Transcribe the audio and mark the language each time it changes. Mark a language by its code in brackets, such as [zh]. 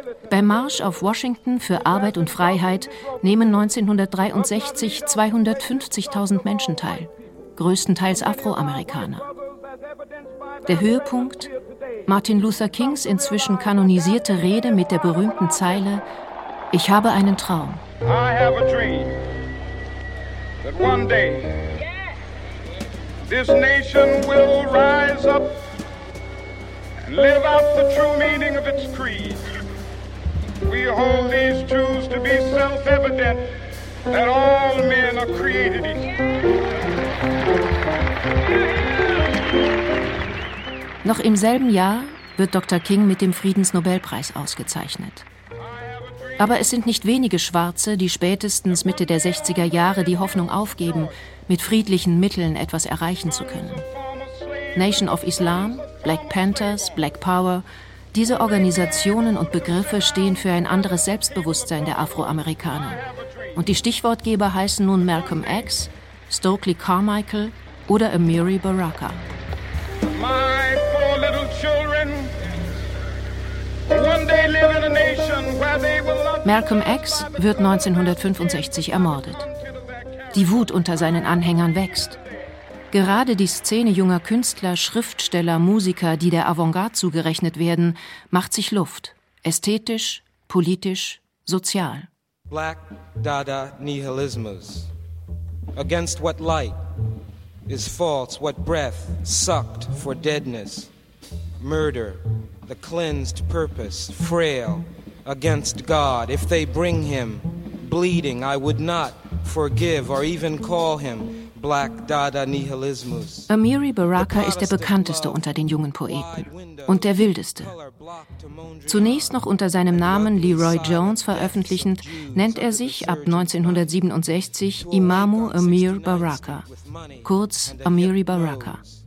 [de] Beim Marsch auf Washington für Arbeit und Freiheit nehmen 1963 250.000 Menschen teil, größtenteils Afroamerikaner. Der Höhepunkt: Martin Luther Kings inzwischen kanonisierte Rede mit der berühmten Zeile: Ich habe einen Traum. [en] I have a dream that one day this nation will rise up and live out the true meaning of its creed. We hold these truths to be self-evident, that all men are created equal. [de] Noch im selben Jahr wird Dr. King mit dem Friedensnobelpreis ausgezeichnet. Aber es sind nicht wenige Schwarze, die spätestens Mitte der 60er Jahre die Hoffnung aufgeben, mit friedlichen Mitteln etwas erreichen zu können. Nation of Islam, Black Panthers, Black Power, diese Organisationen und Begriffe stehen für ein anderes Selbstbewusstsein der Afroamerikaner. Und die Stichwortgeber heißen nun Malcolm X, Stokely Carmichael oder Amiri Baraka. [en] My four little children one day live in a nation where they will love. [de] Malcolm X wird 1965 ermordet. Die Wut unter seinen Anhängern wächst. Gerade die Szene junger Künstler, Schriftsteller, Musiker, die der Avantgarde zugerechnet werden, macht sich Luft. Ästhetisch, politisch, sozial. Black Dada Nihilismus. [en] Against what light is false, what breath sucked for deadness. Murder, the cleansed purpose, frail against God. If they bring him bleeding, I would not forgive or even call him Black Dada Nihilismus. [de] Amiri Baraka ist der bekannteste unter den jungen Poeten und der wildeste. Zunächst noch unter seinem Namen Leroy Jones veröffentlichend, nennt er sich ab 1967 Imamu Amir Baraka, kurz Amiri Baraka.